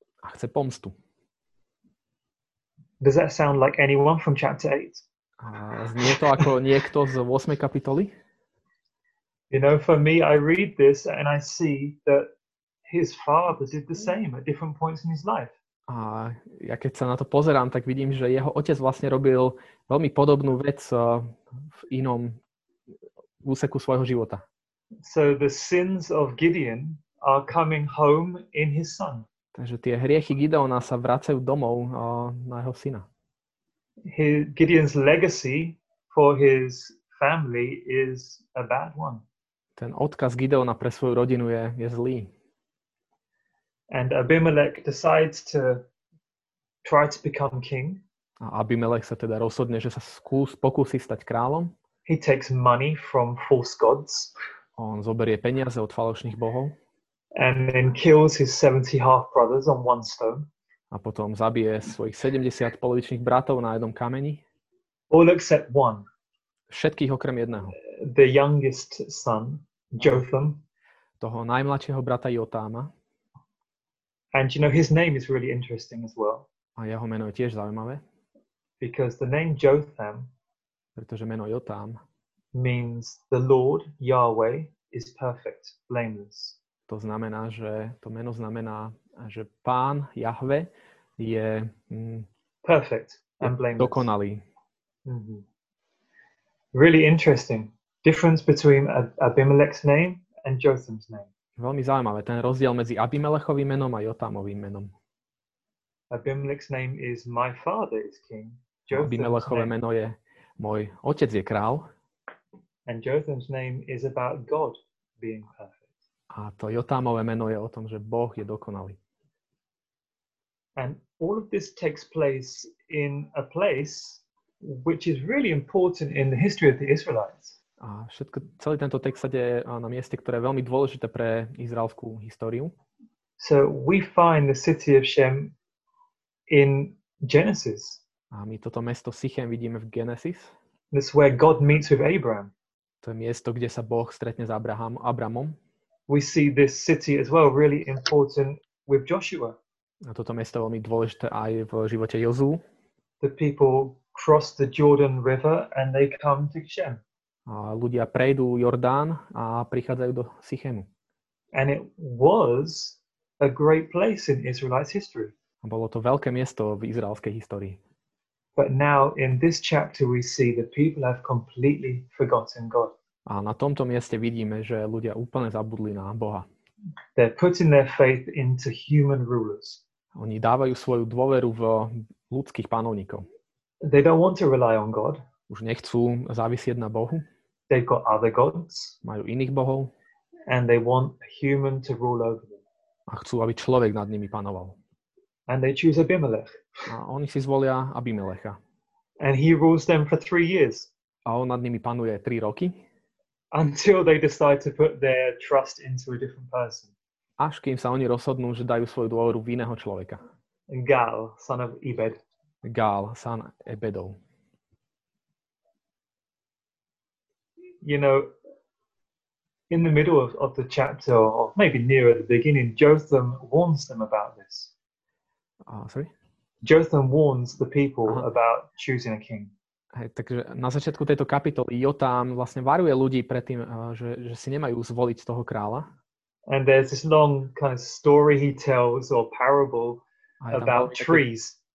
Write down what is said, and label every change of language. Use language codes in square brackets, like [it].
[sk] A chce pomstu. [en] Does that sound like anyone from chapter 8? [sk] Znie to ako niekto z 8. kapitoly? [en] You know, for me, I read this and I see that his father did the same at different points in his life. [sk] A ja keď sa na to pozerám, tak vidím, že jeho otec vlastne robil veľmi podobnú vec v inom úseku svojho života. [en] So the sins of Gideon are coming home in his son. [sk] Takže tie hriechy Gideona sa vracajú domov na jeho syna. [en] Gideon's legacy for his family is a bad one. [sk] Ten odkaz Gideona pre svoju rodinu je zlý. [en] And Abimelech decides to try to become king. [sk] A Abimelech sa teda rozhodne, že sa pokúsi stať kráľom. [en] He takes money from false gods. [sk] On zoberie peniaze od falošných bohov. [en] And then kills his 70 half brothers on one stone. [sk] A potom zabije svojich 70 polovičných bratov na jednom kameni. [en] All except one. [sk] Všetkých okrem jedného. [en] The youngest son, Jotham. [sk] Toho najmladšieho brata Jotáma. [en] And you know, his name is really interesting as well. [sk] A jeho meno je tiež zaujímavé. [en] Because the name Jotham, [sk] pretože meno Jotám, [en] means the Lord, Yahweh, is perfect, blameless. [sk] To znamená, že to meno znamená, že Pán Jahve je [en] perfect and blameless. [sk] Dokonalý. [en] Mm-hmm. Really interesting. Difference between Abimelech's name and Jotham's name. [sk] Veľmi zaujímavé, ten rozdiel medzi Abimelechovým menom a Jotamovým menom. [en] Abimelech's name is my father is king. [sk] Jotham's Abimelechové meno je môj otec je král. [en] And Jotham's name is about God being perfect. [sk] A to Jotámové meno je o tom, že Boh je dokonalý. [en] And all of this takes place in a place which is really important in the history of the Israelites. [sk] A všetko, celý tento text sa deje na mieste, ktoré je veľmi dôležité pre izraelskú históriu. [en] So we find the city of Shem in Genesis. [sk] A my toto mesto Sichem vidíme v Genesis. [en] This is where God meets with Abraham. [sk] To je miesto, kde sa Boh stretne s Abrahamom. [en] We see this city as well really important with Joshua. [sk] A toto mesto je veľmi dôležité aj v živote Jozú. [en] The people cross the Jordan River and they come to Shem. [sk] A ľudia prejdú Jordán a prichádzajú do Sichemu. [en] And it was a great place in Israelite history. [sk] A bolo to veľké miesto v izraelskej histórii. [en] But now in this chapter we see the people have completely forgotten God. [sk] A na tomto mieste vidíme, že ľudia úplne zabudli na Boha. [en] They're putting their faith into human rulers. [sk] Oni dávajú svoju dôveru v ľudských panovníkov. [en] They don't want to rely on God. [sk] Už nechcú závisieť na Bohu. [en] They've got other gods. [sk] Majú iných bohov. [en] And they want a human to rule over them. [sk] A chcú, aby človek nad nimi panoval. [en] And they choose Abimelech. [sk] A oni si zvolia Abimelecha. [en] And he rules them for 3 years. [sk] A on nad nimi panuje 3 roky. [en] Until they decide to put their trust into a different person. [sk] Až kým sa oni rozhodnú, že dajú svoju dôveru v iného človeka. [en] Gal, son of Ebed. [sk] Gal, son Ebedo. [en] You know, in the middle of the chapter, or maybe nearer the beginning, Jotham warns them about this. Sorry? Jotham warns the people about choosing a king. [sk] Hej, takže na začiatku tejto kapitoly Jotam vlastne varuje ľudí pred tým, že si nemajú zvoliť toho kráľa. [en] And there's this long kind of story he tells or parable about trees.